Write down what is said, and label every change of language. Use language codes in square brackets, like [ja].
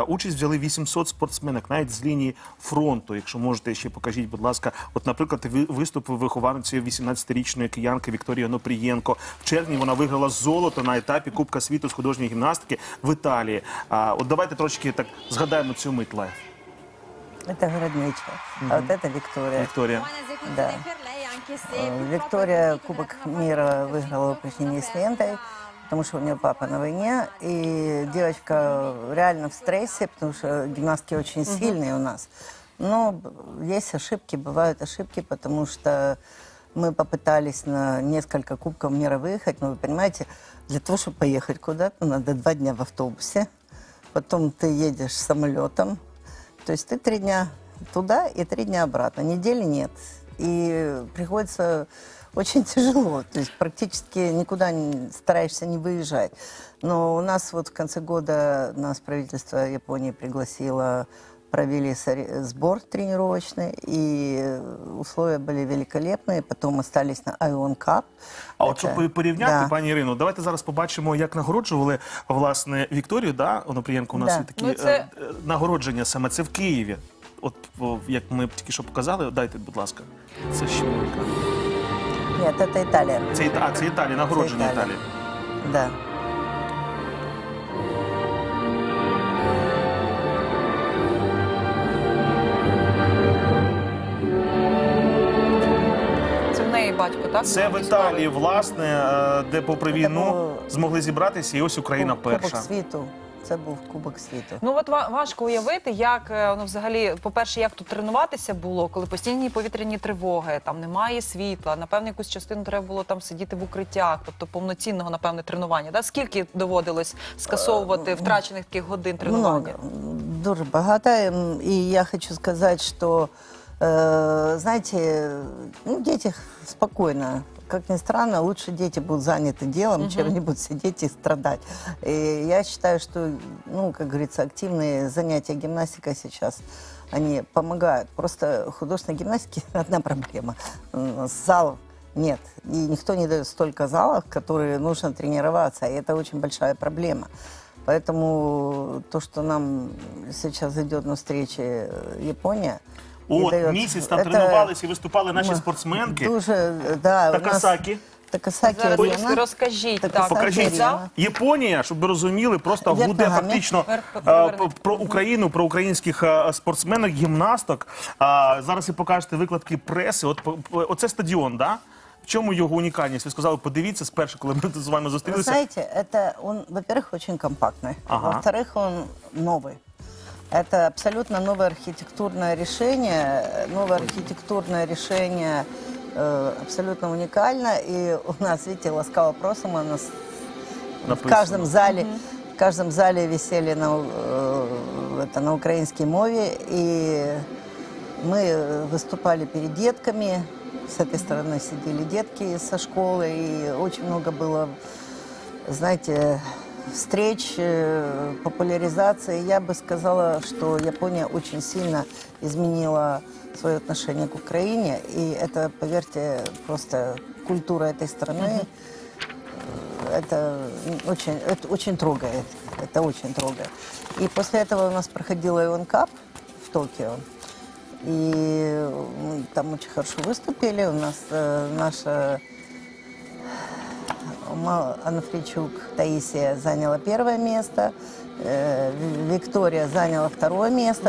[uk] Участь взяли 800 спортсменок, навіть з лінії фронту. Якщо можете, ще покажіть, будь ласка, от, наприклад, виступ вихованці 18-річної киянки Вікторії Онопрієнко. В червні вона виграла золото на етапі Кубка світу з художньої гімнастики в Італії. От давайте трошки так згадаємо цю мить лайф. [ru] Это Городничка, а вот это Виктория. Виктория. Да. Виктория Кубок мира выиграла в упражнении с лентой, потому что у нее папа на войне. И девочка реально в стрессе, потому что гимнастки очень сильные у нас. Но есть ошибки, бывают ошибки, потому что мы попытались на несколько Кубков мира выехать. Но вы понимаете, для того, чтобы поехать куда-то, надо 2 дня в автобусе. Потом ты едешь самолетом. То есть ты 3 дня туда и 3 дня обратно. Недели нет. И приходится очень тяжело. То есть практически никуда не стараешься не выезжать. Но у нас вот в конце года нас правительство Японии пригласило, провели сбор тренировочный. И условия были великолепные. Потом остались на Ion Cup. [uk] А от щоб порівняти, да, пані Ірино, давайте зараз побачимо, як нагороджували, власне, Вікторію, да, Онопрієнко, у нас, да, є такі, ну, це... нагородження саме, це в Києві. От, як ми тільки що показали, дайте, будь ласка, це ще велика. Ні, це Італія. Це Італія, нагородження Італії. Да. Батько, так? Це в Італії, власне, де попри війну змогли зібратися, і ось Україна перша. Кубок світу. Це був Кубок світу. Ну, от важко уявити, як, ну, взагалі, по-перше, як тут тренуватися було, коли постійні повітряні тривоги, там немає світла, напевно, якусь частину треба було там сидіти в укриттях, тобто повноцінного, напевне, тренування. Да? Скільки доводилось скасовувати втрачених таких годин тренування? [ru] Много. [uk] Дуже багато. І я хочу сказати, що... [ru] знаете, ну, дети спокойно, как ни странно, лучше дети будут заняты делом, чем они будут сидеть и страдать. И я считаю, что, ну, как говорится, активные занятия гимнастикой сейчас, они помогают. Просто художественной гимнастике одна проблема. Зал нет. И никто не дает столько залов, которые нужно тренироваться. И это очень большая проблема. Поэтому то, что нам сейчас идет на встрече Япония, [uk] от, місяць там тренувалися і виступали наші спортсменки. Дуже, да, Такасакі. Такасакі Ріна. Розкажіть, так. Покажіть. Японія, щоб ви розуміли, просто буде фактично про Україну, про українських спортсменок, гімнасток. Зараз ви покажете викладки преси. Оце стадіон, так? В чому його унікальність? Ви сказали, подивіться, спершу, коли ми з вами зустрілися. Ви знаєте, це, [ru] во-первых, [uk] дуже компактний. [ru] Во-вторых, [uk] він новий. [ru] Это абсолютно новое архитектурное решение. Новое архитектурное решение абсолютно уникально. И у нас, видите, ласкало просом, у нас в каждом зале. В каждом зале висели на украинской мове, и мы выступали перед детками, с этой стороны сидели детки со школы, и очень много было, знаете, встреч, популяризации. Я бы сказала, что Япония очень сильно изменила свое отношение к Украине, и это, поверьте, просто культура этой страны. Это очень трогает. Это очень трогает. И после этого у нас проходил Ion Cup в Токио. И там очень хорошо выступили. У нас наша Анна Фричук Таисия заняла первое место. Виктория заняла второе место.